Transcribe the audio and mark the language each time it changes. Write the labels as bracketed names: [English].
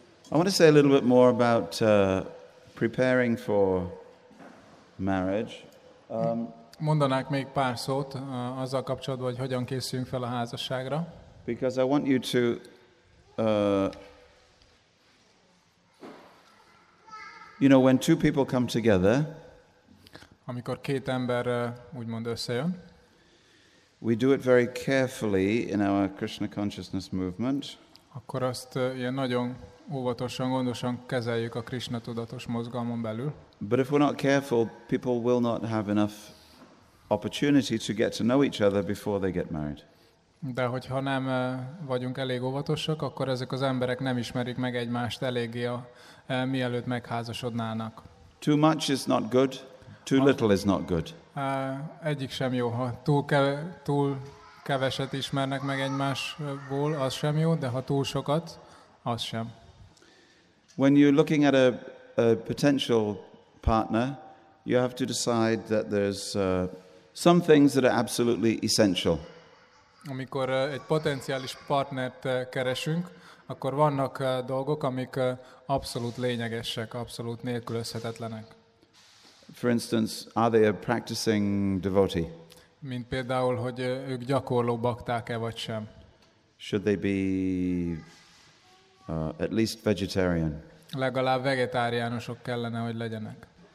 [English] I want to say a little bit more about preparing for marriage. [Hungarian] Mondanák még pár szót azzal kapcsolatban, hogy hogyan készüljünk fel a házasságra. [English] Because I want you to you know, when two people come together, [Hungarian] amikor két ember úgymond összejön, [English] we do it very carefully in our Krishna consciousness movement. [Hungarian] Akkor azt ilyen nagyon óvatosan, gondosan kezeljük a Krishna tudatos mozgalmon belül. [English] But if we're not careful, people will not have enough opportunity to get to know each other before they get married. [Hungarian] De hogyha nem vagyunk elég óvatosak, akkor ezek az emberek nem ismerik meg egymást eléggé, mielőtt megházasodnának. [English] Too much is not good, too little is not good. [Hungarian] Egyik sem jó, ha túl keveset ismernek meg egymásból, az sem jó, de ha túl sokat, az sem. [English] When you're looking at a potential partner, you have to decide that there's some things that are absolutely essential. [Hungarian] Amikor egy potenciális partnert keresünk, akkor vannak dolgok, amik abszolút lényegesek, abszolút nélkülözhetetlenek. [English] For instance, are they a practicing devotee? [Hungarian] Mint például, hogy ők gyakorló bakták-e vagy sem. [English] Should they be at least vegetarian? [Hungarian] Legalább vegetáriánusok kellene, hogy legyenek.